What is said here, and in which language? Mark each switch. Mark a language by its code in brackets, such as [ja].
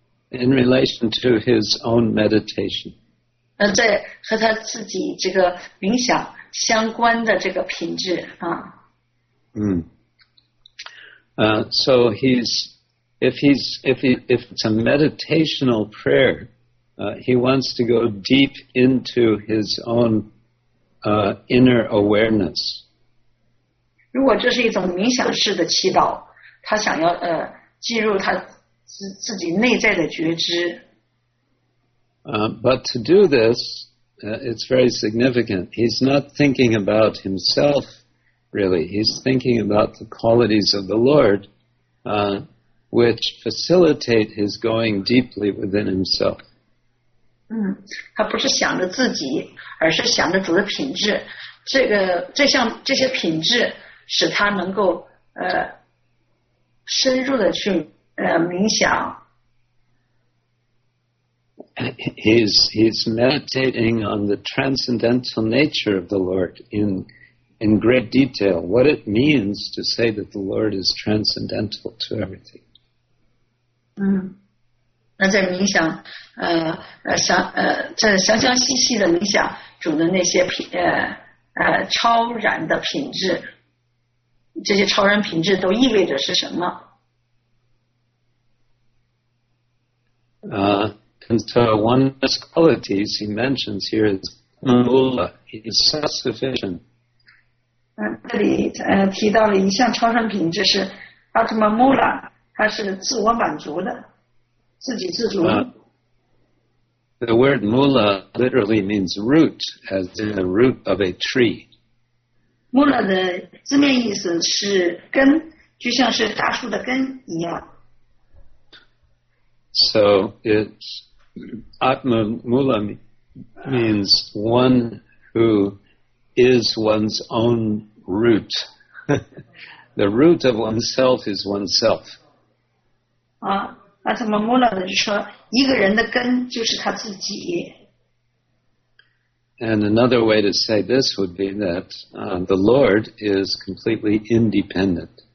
[en] In relation to his own meditation. [zh] 在和他自己这个冥想相关的这个品质啊。 [en] So if it's a meditational prayer, he wants to go deep into his own inner awareness. [zh] 如果这是一种冥想式的祈祷，他想要进入他自己内在的觉知。 [en] But to do this, it's very significant. He's not thinking about himself, really. He's thinking about the qualities of the Lord, which facilitate his going deeply within himself. [zh] 他不是想着自己，而是想着主的品质。这些品质使他能够深入的去冥想。 [en] He's meditating on the transcendental nature of the Lord in great detail, what it means to say that the Lord is transcendental to everything. [zh] 那在冥想在详详细细的冥想主的那些超然的品质，这些超然品质都意味着是什么。 [en] And so one of his qualities he mentions here is mula, he is self-sufficient. [zh] 这里提到了一项超然品质是 atma mula, 它是自我满足的，自给自足。 [en] The word mula literally means root, as in the root of a tree. [zh] Mula 的字面意思是根，就像是大树的根一样。 [en] So it's Atma Mula means one who is one's own root. The root of oneself is oneself. [zh] Atma Mula 就是说一个人的根就是他自己。 [en] And another way to say this would be that the Lord is completely independent.